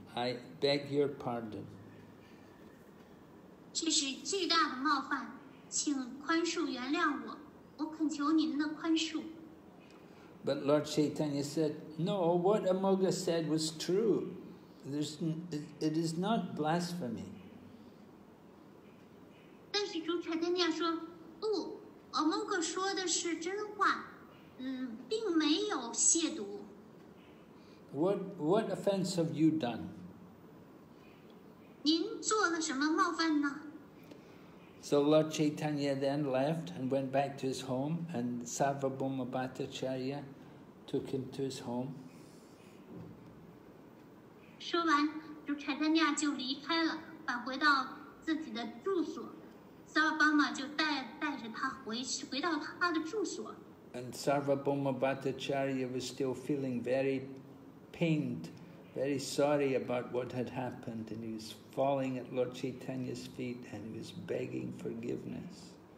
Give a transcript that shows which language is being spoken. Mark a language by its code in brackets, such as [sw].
[en] I beg your pardon. [zh] 这是巨大的冒犯，请宽恕原谅我。我恳求您的宽恕。 [en] But Lord Chaitanya said, "No, what Amoga said was true. It is not blasphemy." [zh] 但是主柴丹尼亚说，不，Amoga说的是真话。并没有亵渎。 [en] What offense have you done? [zh] 您做了什么冒犯呢？ [en] So Lord Chaitanya then left and went back to his home, and Sarvabhauma Bhattacharya took him to his home. [zh] 说完，主柴丹尼亚就离开了，返回到自己的住所。 Sarvabhauma 就带着他回到他的住所。 [en] And Sarvabhauma Bhattacharya was still feeling very pained very sorry about what had happened, and he was falling at Lord Chaitanya's feet and he was begging forgiveness.